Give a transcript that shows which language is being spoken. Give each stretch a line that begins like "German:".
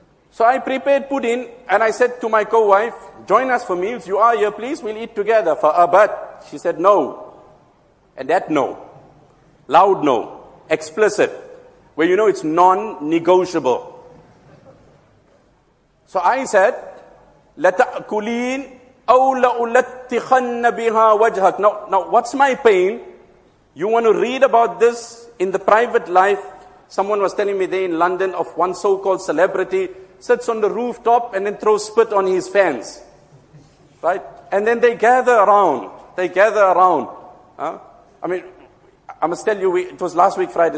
English: So I prepared pudding and I said to my co-wife, join us for meals. You are here, please. We'll eat together. For a but, she said no. And that no. Loud no. explicit, where you know it's non-negotiable. So I said,
Arabic: لَتَأْكُلِينَ أَوْ لَأُلَتِّخَنَّ بِهَا وَجْهَكَ.
English: Now, what's my pain? You want to read about this in the private life? Someone was telling me there in London of one so-called celebrity sits on the rooftop and then throws spit on his fans. Right? And then they gather around. They gather around. I mean, I must tell you, it was last week Friday.